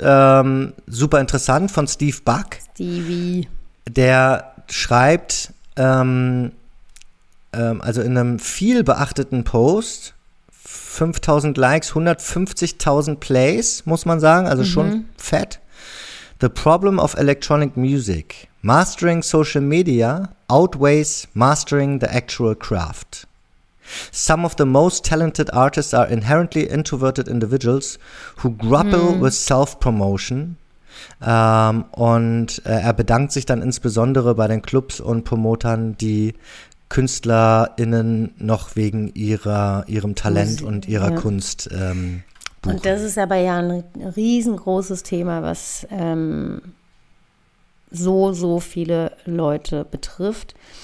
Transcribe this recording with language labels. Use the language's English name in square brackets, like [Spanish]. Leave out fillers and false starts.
[German] Super interessant von Steve Buck. Stevie. Der schreibt, also in einem viel beachteten Post, 5000 Likes, 150.000 Plays, muss man sagen, also schon fett. [English] The problem of electronic music. Mastering social media outweighs mastering the actual craft. Some of the most talented artists are inherently introverted individuals who grapple with self-promotion. [German] Und er bedankt sich dann insbesondere bei den Clubs und Promotern, die KünstlerInnen noch wegen ihrem Talent Musik, und ihrer Kunst buchen. Und das ist aber ja ein riesengroßes Thema, was so viele Leute betrifft.